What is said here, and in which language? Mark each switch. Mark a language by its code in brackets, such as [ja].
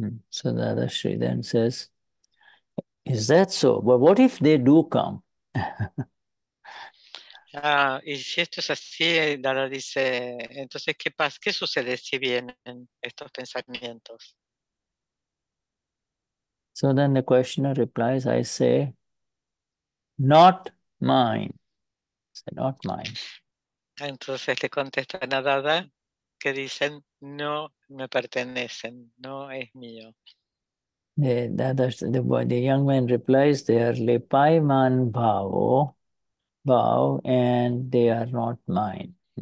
[en] So Dada Shri then says, is that so? But what if they do come? [es] Y si esto es así, Dada dice, entonces, ¿qué sucede si vienen estos pensamientos? [en] So then the questioner replies, I say, not mine. I say, not mine. [es] Entonces le contestan a Dada que dicen, no me pertenecen, no es mío. [en] The young man replies, they are lepai man bao, bao, and they are not mine.